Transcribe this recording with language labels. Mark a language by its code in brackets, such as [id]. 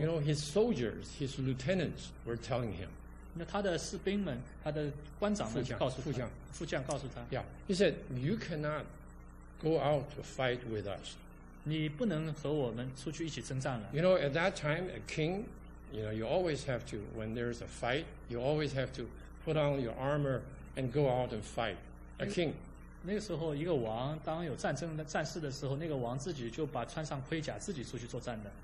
[en] ，you know, his soldiers, his lieutenants were telling him. [zh] 那他的士兵们，他的官长们告诉他，副将告诉他 [en] ，Yeah, he said, "You cannot go out to fight with us." [zh] 你不能和我们出去一起征战了。 [en] You know, at that time, a king, you know, you always have to when there is a fight, you always have to. Put on your armor and go out and fight a king. [zh] 那个时候，一个王当有战争的战事的时候，那个王自己就把穿上盔甲，自己出去作战的。